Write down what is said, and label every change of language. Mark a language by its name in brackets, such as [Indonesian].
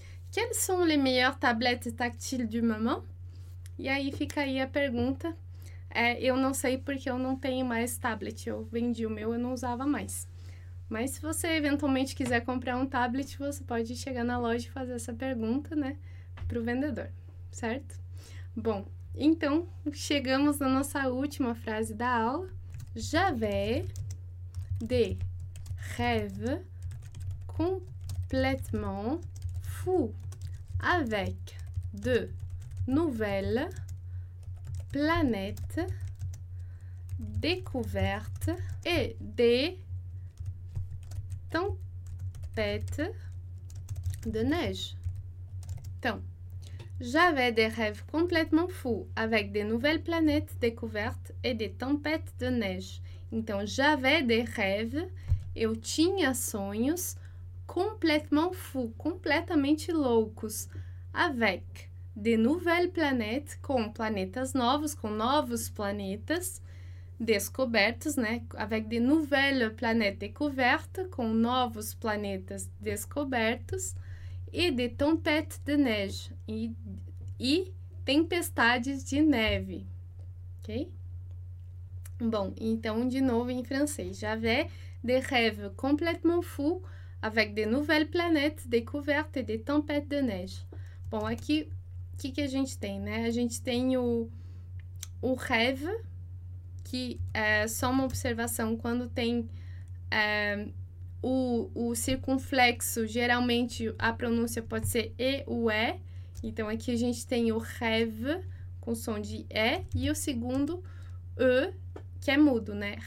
[French] Quelles sont les meilleures tablettes tactiles du moment? [Portuguese] E aí fica aí a pergunta. É, eu não sei porque eu não tenho mais tablet. Eu vendi o meu, eu não usava mais. Mas se você eventualmente quiser comprar um tablet, você pode chegar na loja e fazer essa pergunta, né? Pro vendedor, certo? Bom, então, chegamos na nossa última frase da aula. [French] J'avais des rêves complètement fous avec de nouvelles planètes découvertes et des tempêtes de neige. Então, j'avais des rêves complètement fous avec des nouvelles planètes découvertes et des tempêtes de neige. [Portuguese] Então, [French] j'avais des rêves, [Portuguese] eu tinha sonhos [French] complètement fous, [Portuguese] completamente loucos, [French] avec des nouvelles planètes, [Portuguese] com planetas novos, com novos planetas descobertos, né? [French] Avec des nouvelles planètes découvertes, [Portuguese] com novos planetas descobertos, [French] et des tempêtes de neige, [Portuguese] e tempestades de neve, ok? Bom, então, de novo em francês. [French] J'avais des rêves complètement fous avec des nouvelles planètes découvertes et des tempêtes de neige. [Portuguese] Bom, aqui, o que, que a gente tem, né? A gente tem o rêve, que é só uma observação. Quando tem o circunflexo, geralmente a pronúncia pode ser E ou E. Então, aqui a gente tem o rêve com som de E e o segundo E, que é mudo, né?